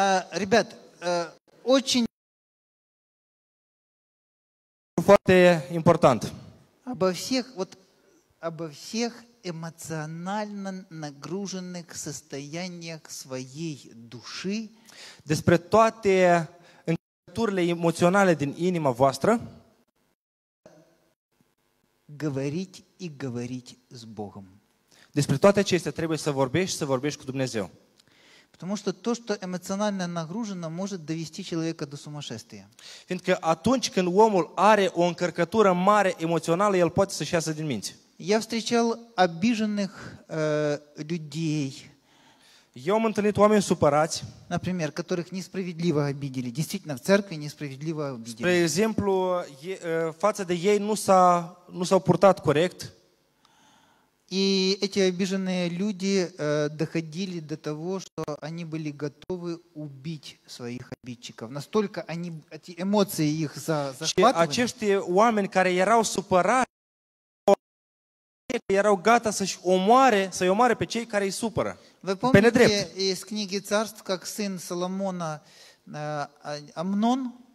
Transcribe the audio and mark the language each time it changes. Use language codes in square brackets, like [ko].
[ru] Ребят, очень [ro] important. [ru] Обо всех эмоционально нагруженных состояниях своей души. [ro] Despre toate structurile emoționale din inima voastră. [ru] Говорить и говорить с Богом. [ro] Despre toate acestea trebuie să vorbești, să vorbești cu Dumnezeu. [ru] Потому что то, что эмоционально нагружено, может довести человека до сумасшествия. [ro] Fiindcă atunci când omul are o încărcătură mare emoțională, el poate să-și iasă din minți. [ru] Я встречал обиженных людей. [ro] Eu am întâlnit oameni supărați. [ru] Например, которых несправедливо обидели. Действительно, в церкви несправедливо обидели. [ro] Spre exemplu, față de ei nu s-au purtat corect. [ru] И эти обиженные люди доходили до того, что они были готовы убить своих обидчиков. Настолько они эти эмоции их захватывали. [ro] Și acești oameni care erau supărați, erau gata să-i omoare pe cei care îi supără. [ru] Вы помните из книги «Царств», как сын Соломона Амнон?